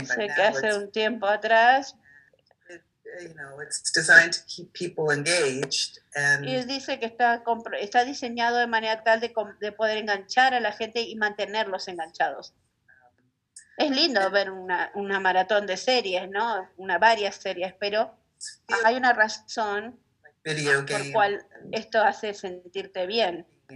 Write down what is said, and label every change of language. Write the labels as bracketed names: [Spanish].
[Spanish] sé que hace un tiempo atrás. [English] It's designed to keep people engaged. [Spanish] Y dice que está diseñado de manera tal de poder enganchar a la gente y mantenerlos enganchados. Es lindo ver una maratón de series, ¿no? Varias series, pero hay una razón por la cual esto hace sentirte bien.